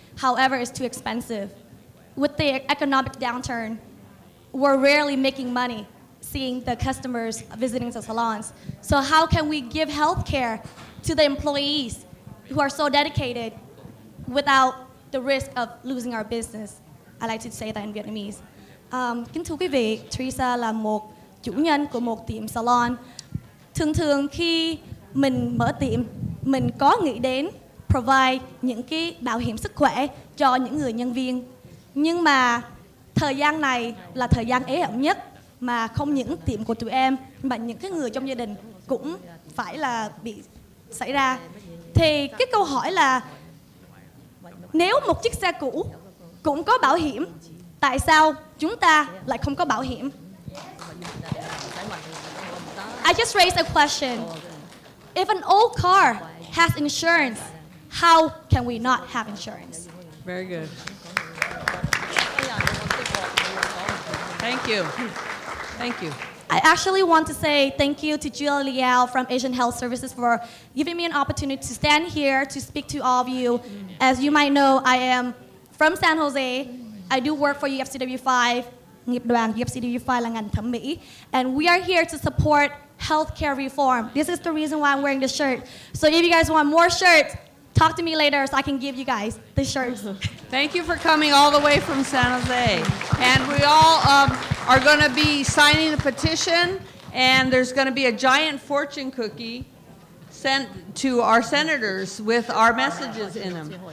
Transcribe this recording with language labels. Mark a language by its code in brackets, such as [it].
[en] However, it's too expensive. With the economic downturn, we're rarely making money seeing the customers visiting the salons. So how can we give healthcare to the employees who are so dedicated without the risk of losing our business? I like to say that in Vietnamese. [vi] Kính thưa quý vị, Teresa là một chủ nhân của một tiệm salon. Thường thường khi mình mở tiệm, mình có nghĩ đến provide những cái bảo hiểm sức khỏe cho những người nhân viên. Nhưng mà thời gian này là thời gian ế ẩm nhất mà không những tiệm của tụi em mà những cái người trong gia đình cũng phải là bị xảy ra. Thì cái câu hỏi là nếu một chiếc xe cũ cũng có bảo hiểm, tại sao chúng ta lại không có bảo hiểm? [en] I just raised a question. If an old car has insurance, how can we not have insurance? Very good. Thank you. Thank you. I actually want to say thank you to Julia Liao from Asian Health Services for giving me an opportunity to stand here to speak to all of you. As you might know, I am from San Jose. I do work for UFCW5. [vi] Nghiệp đoàn UFCW5 là ngành thẩm mỹ. [en] And we are here to support healthcare reform. This is the reason why I'm wearing this shirt. So if you guys want more shirts, talk to me later so I can give you guys the shirts. Thank you for coming all the way from San Jose. And we all are going to be signing a petition, and there's going to be a giant fortune cookie sent to our senators with our messages in them.